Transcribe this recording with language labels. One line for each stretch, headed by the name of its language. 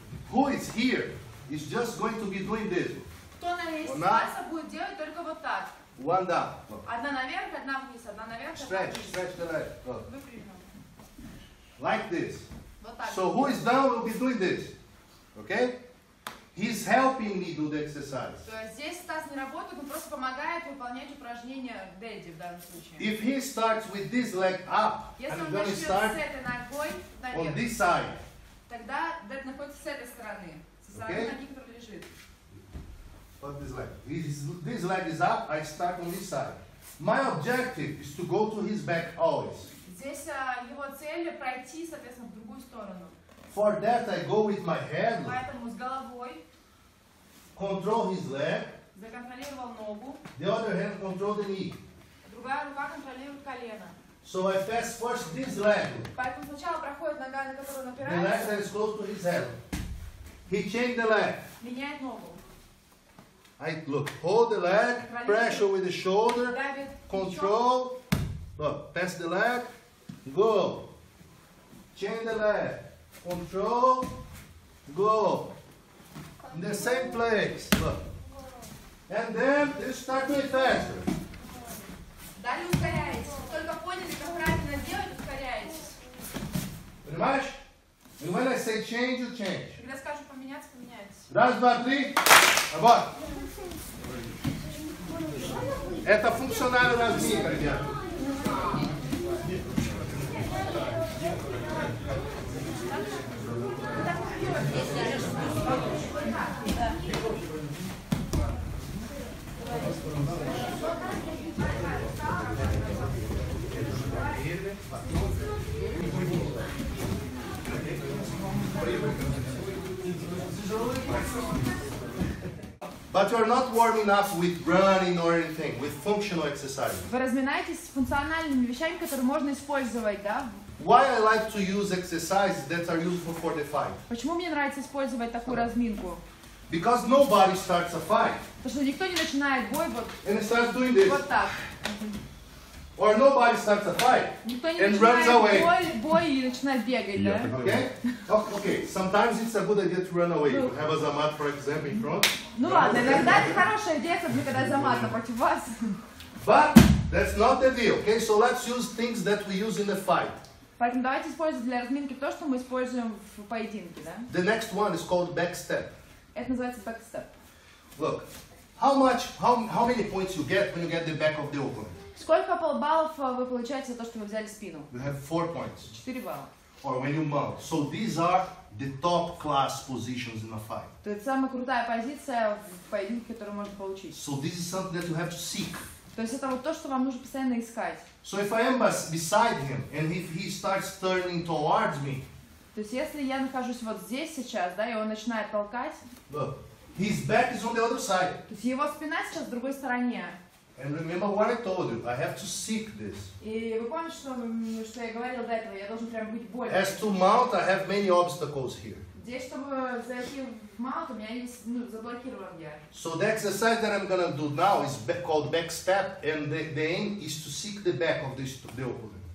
English: Who is here is just going to be doing this.
Russian: Кто на месте класса будет делать только вот так.
English: One down.
Russian: Одна наверх, одна вниз, одна наверх.
English: Stretch,
Russian: одна вниз.
English: Stretch the leg. Go. Like this. So who is down will be doing this. Okay? He's helping me do the exercise.
Russian: То есть здесь Стас не работает, он просто помогает выполнять упражнение Дэдди в данном случае.
English: If he starts with this leg up,
Russian: если
English: and
Russian: он начнет с этой ногой наверх,
English: on this side.
Russian: Тогда Дэд находится с этой стороны, со стороны
English: okay?
Russian: ноги, которая лежит.
English: But this leg is up, I start on this side. My objective is to go to his back always.
Russian: Здесь его цель пройти, соответственно, в другую сторону.
English: For that I go with my head.
Russian: Поэтому с головой.
English: Control his leg.
Russian: Законтролировал ногу.
English: The other hand control the knee.
Russian: Другая рука контролирует колено.
English: So I pass first this leg.
Russian: Поэтому сначала проходит нога, на которую он опирается.
English: The leg that is close to his head. He changed the leg.
Russian: Меняет ногу.
English: I look, hold the leg, pressure with the shoulder, control, look, pass the leg, go, change the leg, control, go, in the same place, look, and then you start doing faster.
Russian: Далее ускоряетесь, только поняли, как правильно делать, ускоряетесь. Понимаешь?
English: And when I say change, you change.
Russian: Когда скажу поменяться, поменяйтесь. Раз, два, три, работа. Это функциональный размер, друзья.
English: But you are not warm enough with running or anything, with functional exercises.
Russian: Вы разминаетесь с функциональными вещами, которые можно использовать, да?
English: Why I like to use exercises that are useful for the fight?
Russian: Почему мне нравится использовать такую разминку?
English: Because nobody starts a fight.
Russian: Потому что никто не начинает бой вот.
English: And starts doing this.
Russian: Вот так.
English: Or nobody starts a fight.
Russian: Никто не
English: and
Russian: начинает
English: runs away.
Russian: Бой и начинает бегать, да?
English: Okay. Sometimes it's a good idea to run away. You have a zamat, for example, in front.
Russian: Ну ладно, иногда это хорошая идея, когда замат напротив вас.
English: But that's not the deal, okay? So let's use things that we use in the fight.
Russian: Поэтому давайте использовать для разминки то, что мы используем в поединке, да?
English: The next one is called back step.
Russian: Это называется back step.
English: Look, how many points you get when you get the back of the opponent?
Russian: Сколько полбаллов вы получаете за то, что вы взяли спину?
English: You have 4 points.
Russian: 4 балла.
English: Or when you mount. So these are the top class positions in a fight.
Russian: То есть самая крутая позиция в поединке, которую можно получить.
English: So this is something that you have to seek.
Russian: То есть это вот то, что вам нужно постоянно искать.
English: So if I am beside him and if he starts turning towards me.
Russian: То есть если я нахожусь вот здесь сейчас, да, и он начинает толкать.
English: Look, his back is on the other side.
Russian: То есть его спина сейчас с другой стороне.
English: And remember what I told you. I have to seek this.
Russian: И вы помните, что я говорил до этого? Я должен прям быть больно.
English: As to mount, I have many obstacles here.
Russian: Здесь, чтобы зайти в mount, у меня есть заблокирован я.
English: So the exercise that I'm gonna do now is called back step, and the aim is to seek the back of this the opponent.